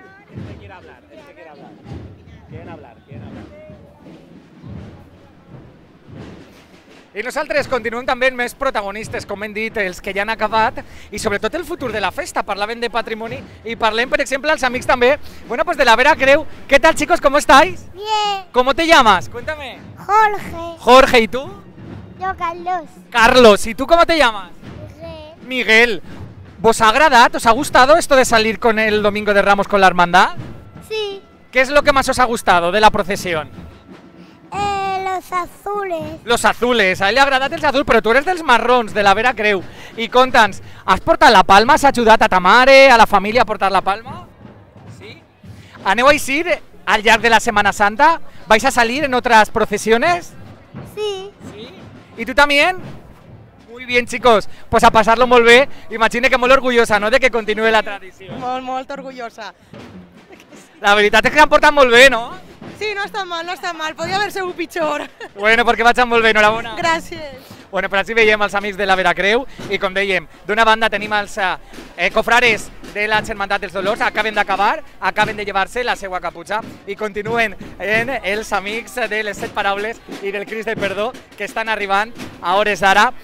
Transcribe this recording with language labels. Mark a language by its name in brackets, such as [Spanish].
[Spanish] Este quiere hablar, este quiere hablar. ¿Quieren hablar? ¿Quieren hablar? [Catalan] I nosaltres continuem també amb més protagonistes, com hem dit, els que ja han acabat, i sobretot el futur de la festa. Parlàvem de patrimoni i parlem, per exemple, als amics també, bueno, pues de la Vera Creu. [Spanish] ¿Qué tal, chicos? ¿Cómo estáis? Bien. ¿Cómo te llamas? Cuéntame. Jorge. Jorge, ¿y tú? Yo, Carlos. Carlos, ¿y tú cómo te llamas? Miguel. [Catalan] Miguel. ¿Vos ha agradat? [Spanish] ¿Os ha gustado esto de salir con el Domingo de Ramos con la hermandad? Sí. ¿Qué es lo que más os ha gustado de la procesión? Los azules. Los azules, a él le agrada el azul, pero tú eres [Catalan] dels marrons, de la Vera Creu. Y conta'ns, ¿has portat la palma? ¿Has ajudat a ta mare, a la família a portar la palma? Sí. ¿Aneu a eixir al llarg de la Setmana Santa? [Spanish] ¿Vais a salir en otras procesiones? Sí. ¿Sí? ¿Y tú también? Muy bien, chicos, pues a pasarlo [Catalan] molt bé. Imagina que molt orgullosa, ¿no?, [Spanish] de que continúe la tradición. [Catalan] Molt, molt orgullosa. La veritat és que han portat molt bé, ¿no? Sí, no està mal, no està mal. Podria haver sigut pitjor. Bueno, perquè vaig molt bé, enhorabona. Gràcies. Bueno, però així veiem els amics de la Vera Creu i com dèiem, d'una banda tenim els cofrares de la Germandat dels Dolors, acaben d'acabar, acaben de llevar-se la seva caputxa i continuen en els amics de les set paraules i del Crist de perdó que estan arribant a hores d'ara.